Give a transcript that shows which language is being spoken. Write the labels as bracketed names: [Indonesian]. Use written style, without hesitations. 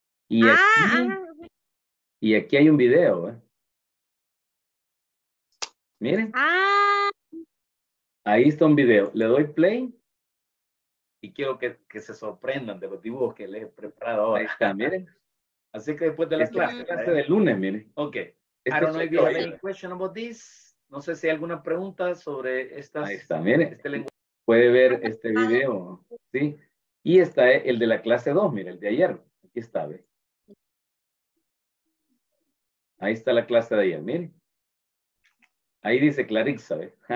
[Spanish] Y aquí hay un video, ¿eh? Miren. Ah. Ahí está un video. Le doy play. Y quiero que se sorprendan de los dibujos que les he preparado ahora. Ahí está, miren. Así que después de la clase del lunes, miren. Ok. [English] I don't know if you have any question about this. [Spanish] No sé si hay alguna pregunta sobre estas. Ahí está, mire. Este lenguaje. Puede ver este video, ¿sí? Y está el de la clase 2, mire, el de ayer. Aquí está, ve. Ahí está la clase de ayer, mire. Ahí dice Clarisa, ve.